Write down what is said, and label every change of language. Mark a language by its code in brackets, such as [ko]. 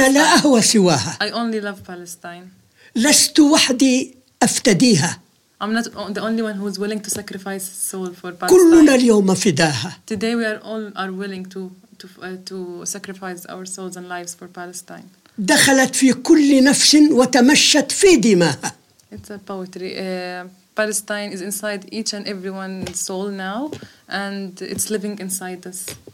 [ar] أنا لا أهوى سواها. [en] I only love Palestine. [ar] لست وحدي أفتديها. [en] I'm not the only one who is willing to sacrifice his soul for Palestine. [ar] كلنا اليوم فداها. [en] Today we are all are willing to sacrifice our souls and lives for Palestine. [ar] دخلت في كل نفس وتمشت في دماها. [en] It's a poetry. Palestine is inside each and everyone's soul now, and it's living inside us.